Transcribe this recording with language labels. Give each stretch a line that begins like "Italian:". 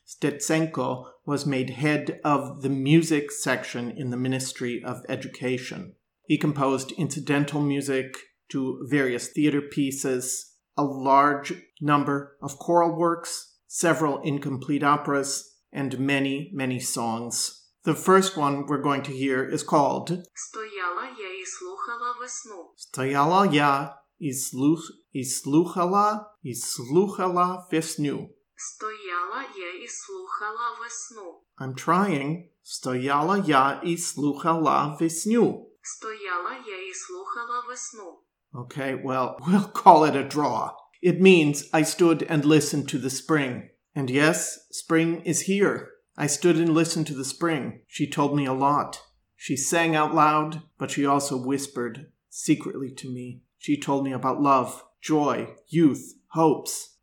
English: Stetsenko was made head of the music section in the Ministry of Education. He composed incidental music to various theater pieces, a large number of choral works, several incomplete operas, and many, many songs. The first one we're going to hear is called
Ukrainian: Стояла я і слухала весну. Стояла я і слухала весну. Стояла я і слухала весну.
English: I'm trying.
Ukrainian: Стояла я і слухала весну. Стояла я і слухала весну.
English: Okay, well, we'll call it a draw. It means I stood and listened to the spring. And yes, spring is here. I stood and listened to the spring. She told me a lot. She sang out loud, but she also whispered secretly to me. She told me about love, joy, youth, hopes.